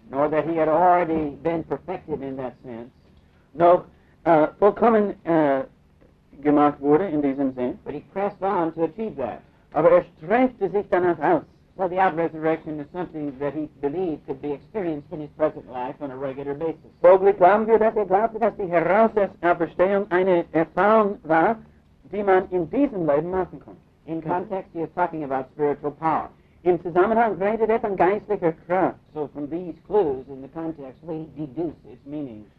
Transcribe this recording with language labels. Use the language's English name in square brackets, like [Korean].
[English] nor that he had already been perfected in that sense, [German] noch vollkommen gemacht wurde in diesem Sinn, [English] but he pressed on to achieve that. [German] Aber strengte sich danach aus. [English] So the out-resurrection is something that he believed could be experienced in his present life on a regular basis. [German] Folglich glauben wir, dass die Herausauferstehung eine Erfahrung war, die man in diesem Leben machen kann. [English] In context, he is talking about spiritual power. [German] Im Zusammenhang redet er von geistlicher Kraft. [English] So from these clues in the context, we deduce its meaning.